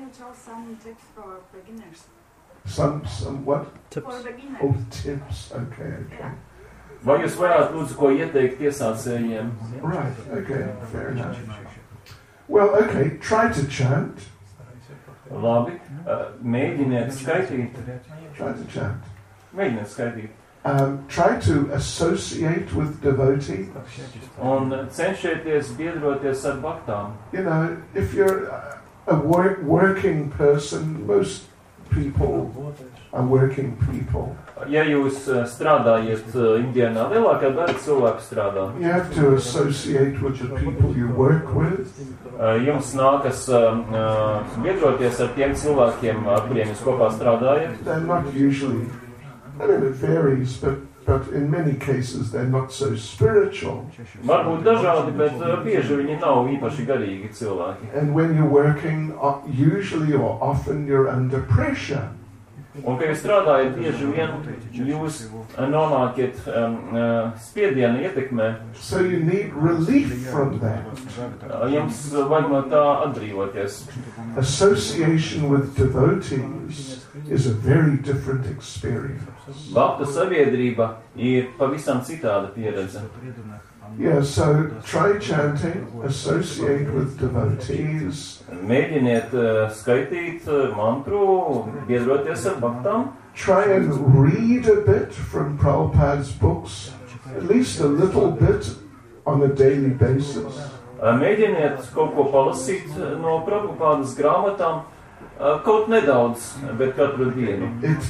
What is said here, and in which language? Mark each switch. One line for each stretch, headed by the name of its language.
English: Can you tell some tips for beginners? Some what? Tips. Oh, tips. Okay, okay. Yeah.
Latvian: Vai jūs varētu lūdzu ko ieteikt iesācējiem?
English: Right, okay, fair enough. Well, okay, try to chant.
Latvian: Labi, mēģiniet skaitīt.
English: Try to chant.
Latvian: Mēģiniet skaitīt.
English: Try to associate with devotees.
Latvian: Un cenšieties biedroties ar baktām.
English: You know, if you're a working person, most people are working people.
Latvian: Ja jūs strādājat indienā, lielākā daļa cilvēku strādā.
English: You have to associate with the people you work with.
Latvian: Jums nākas biedroties ar tiem cilvēkiem, ar kuriem jūs kopā strādājat.
English: They're not usually, I mean, it varies, but in many cases they're not so spiritual.
Latvian: Varbūt dažādi, bet bieži viņi nav īpaši garīgi cilvēki.
English: And when you're working, usually or often you're under pressure.
Latvian: Un, kad jūs strādājat bieži vien, jūs nonākiet spiediena ietekmē.
English: So you need relief from that.
Latvian: Jums vajag no tā atbrīvoties.
English: Association with devotees is a very different experience.
Latvian: Bakta sabiedrība ir pavisam citāda pieredze.
English: Yeah, so try chanting, associate with devotees.
Latvian: Mēģiniet skaitīt mantru, biedroties ar baktām.
English: Try and read a bit from Prabhupada's books, at least a little bit on a daily basis.
Latvian: Mēģiniet kaut ko palasīt no Prabhupādas grāmatām, kaut nedaudz, bet katru dienu.